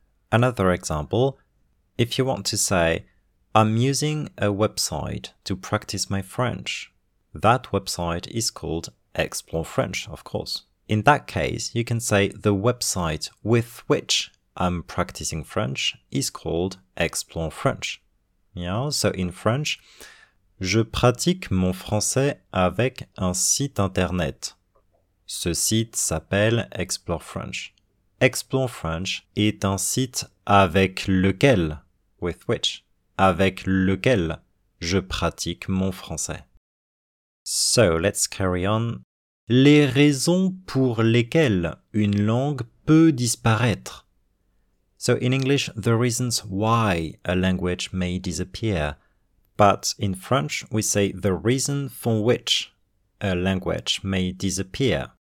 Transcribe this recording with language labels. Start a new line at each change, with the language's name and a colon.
English: Another example, if you want to say, I'm using a website to practice my French. That website is called Explore French, of course. In that case, you can say the website with which I'm practicing French is called Explore French. Yeah, so in French,
French: Je pratique mon français avec un site internet. Ce site s'appelle Explore French. Explore French est un site avec lequel,
English: with which,
French: avec lequel je pratique mon français.
English: So, let's carry on.
French: Les raisons pour lesquelles une langue peut disparaître.
English: So, in English, the reasons why a language may disappear. But in French, we say the reason for which a language may disappear.